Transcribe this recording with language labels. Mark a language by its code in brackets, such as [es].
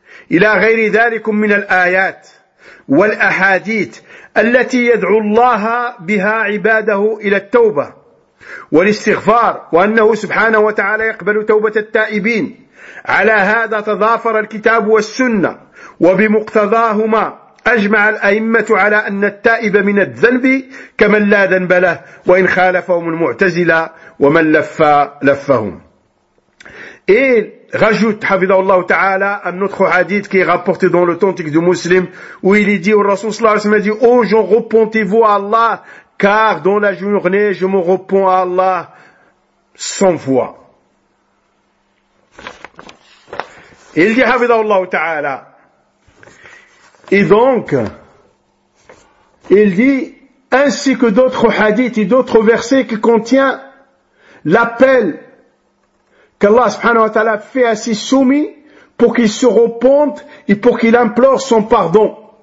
[ar] Ila ghayri dhalikum min al-ayat wal ahadith التي يدعو الله بها عباده إلى التوبة والاستغفار وأنه سبحانه وتعالى يقبل توبة التائبين. على هذا تضافر الكتاب والسنة وبمقتضاهما أجمع الأئمة على أن التائب من الذنب كمن لا ذنب له وإن خالفهم المعتزلة ومن لف لفهم. [fr] إيه rajoute, [ar] حفظه الله تعالى, [fr] un autre hadith qui est rapporté dans l'authentique du muslim, où il est dit au Rasoul sallallahu alayhi wa sallam, dit, oh gens, repentez-vous à Allah, car dans la journée, je me repens à Allah 100 fois. Il dit, [ar] حفظه الله تعالى. [fr] Et donc, il dit, ainsi que d'autres hadiths et d'autres versets qui contiennent l'appel qu'Allah subhanahu wa ta'ala fait à ses soumis pour qu'il se repente et pour qu'il implore son pardon.